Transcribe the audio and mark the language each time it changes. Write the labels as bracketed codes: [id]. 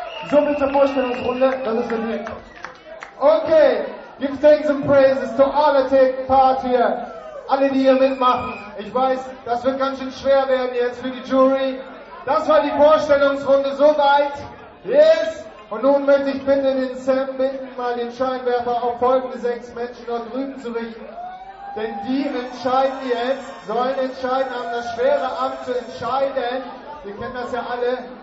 [de] So viel zur Vorstellungsrunde, das ist der Weg. Okay! [en] Give thanks and praises to all that take part here. [de] Alle, die hier mitmachen. Ich weiß, das wird ganz schön schwer werden jetzt für die Jury. Das war die Vorstellungsrunde soweit. Yes! Und nun möchte ich bitte den Sam bitten, mal den Scheinwerfer auf folgende sechs Menschen dort drüben zu richten. Denn die entscheiden jetzt, sollen entscheiden, haben das schwere Amt zu entscheiden. Wir kennen das ja alle.